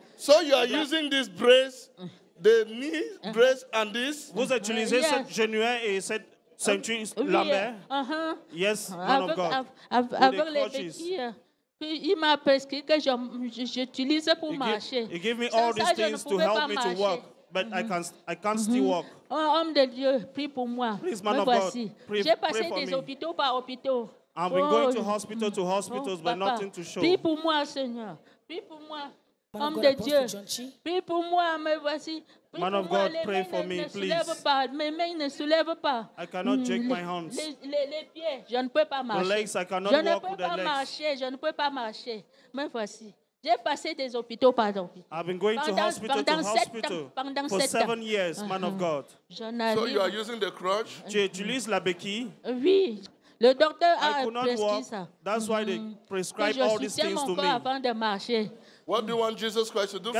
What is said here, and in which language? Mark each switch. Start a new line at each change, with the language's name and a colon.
English: So you are using this brace, the knee brace and this?
French: Vous utilisez cette genouillère et cette ceinture lambert?
English: Yes, man of God.
French: Avec les béquilles. Il m'a prescrit que j'utilise pour marcher.
English: He gave me all these things to help me to walk, but I can't still walk.
French: Oh, homme de Dieu, prie pour moi.
English: Please, man of God, pray.
French: J'ai passé des hôpitaux par hôpitaux.
English: I've been going to hospitals, but nothing to show.
French: Prie pour moi, Seigneur. Prie pour moi, homme de Dieu. Prie pour moi, me voici.
English: Man of God, pray for me, please.
French: Mes mains ne soulèvent pas.
English: I cannot shake my hands.
French: Les pieds, je ne peux pas marcher.
English: The legs, I cannot walk with the legs.
French: Je ne peux pas marcher, je ne peux pas marcher. Mais voici, j'ai passé des hôpitaux par hôpitaux.
English: I've been going to hospital for 7 years, man of God. So you are using the crutch?
French: Tu utilises la béquille? Oui, le docteur a prescrit ça.
English: That's why they prescribe all these things to me.
French: Je soutiens mon corps avant de marcher.
English: What do you want Jesus Christ to do for you?